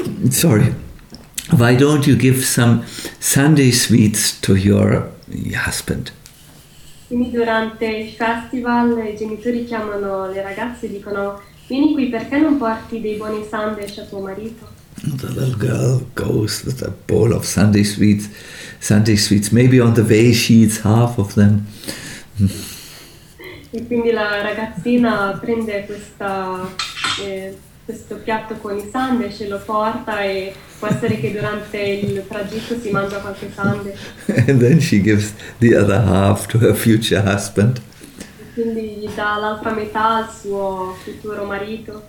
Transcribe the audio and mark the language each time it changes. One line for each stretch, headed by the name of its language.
English: Sorry. Why don't you give some Sunday sweets to your husband?
Italian: Quindi durante il festival i genitori chiamano le ragazze e dicono, vieni qui, perché non porti dei buoni sandwich a tuo marito?
English: The little girl goes with a bowl of Sunday sweets, maybe on the way she eats half of them.
Italian: E quindi la ragazzina prende questa questo piatto con i sandwich e lo porta e può essere che durante il tragitto si mangia qualche sandwich.
English: And then she gives the other half to her future husband.
Italian: Quindi dà l'altra metà al suo futuro marito.